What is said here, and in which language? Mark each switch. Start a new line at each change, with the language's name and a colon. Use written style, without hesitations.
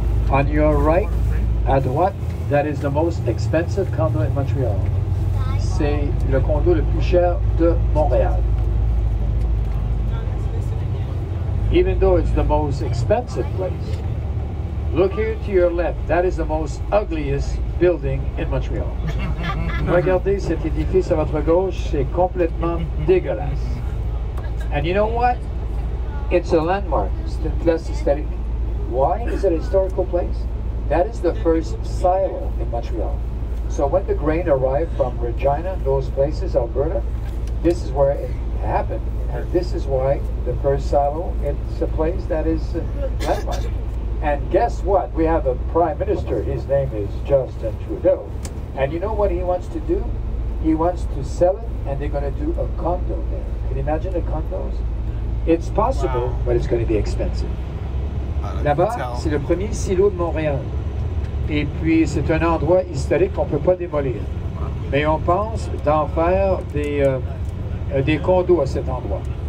English: On your right,
French: à droite,
English: that is the most expensive condo in Montreal.
French: C'est le condo le plus cher de Montréal.
English: Even though it's the most expensive place, look here to your left. That is the most ugliest building in Montreal.
French: Regardez cet édifice à votre gauche. C'est complètement dégueulasse.
English: And you know what? It's a landmark.
French: C'est une place historique.
English: Why is it a historical place? That is the first silo in Montreal. So when the grain arrived from Regina, those places, Alberta, this is where it happened. And this is why the first silo, it's a place that is landmark. And guess what? We have a prime minister. His name is Justin Trudeau. And you know what he wants to do? He wants to sell it, and they're going to do a condo there. Can you imagine the condos? It's possible, wow. But it's going to be expensive.
French: Là-bas, c'est le premier silo de Montréal. Et puis, c'est un endroit historique qu'on ne peut pas démolir. Mais on pense d'en faire des condos à cet endroit.